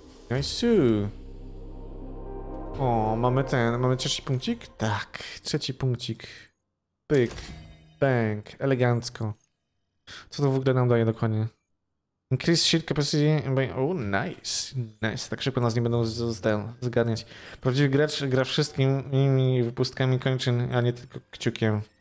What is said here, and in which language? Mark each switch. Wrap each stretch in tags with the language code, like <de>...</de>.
<pl>Nice. O, mamy trzeci punkcik? Tak, trzeci punkcik. Pyk, bang, elegancko. Co to w ogóle nam daje dokładnie?</pl> <en>Increase shield capacity, nice.</en> <pl>Tak szybko nas nie będą zgadniać. Prawdziwy gracz gra wszystkimi wypustkami kończyn, a nie tylko kciukiem.</pl>